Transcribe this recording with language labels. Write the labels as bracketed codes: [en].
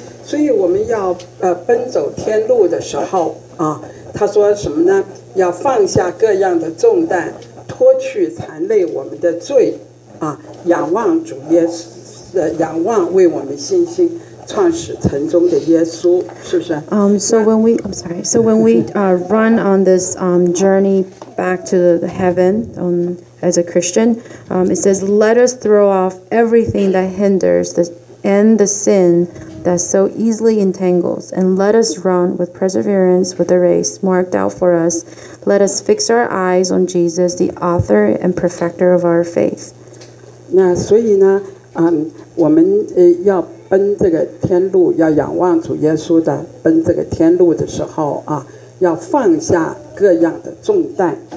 [zh] 所以我们要奔走天路的时候啊，他说什么呢？要放下各样的重担，脱去残累我们的罪啊，仰望主耶稣，仰望为我们信心创始成终的耶稣，是不是？ [en] So when we, I'm sorry. So when we run on this journey back to the heaven, as a Christian, it says, "Let us throw off everything that hinders and the sin that so easily entangles, and let us run with perseverance with the race marked out for us. Let us fix our eyes on Jesus, the author and perfecter of our faith." [zh] 那所以呢，我们要奔这个天路，要仰望主耶稣的奔这个天路的时候啊，要放下各样的重担。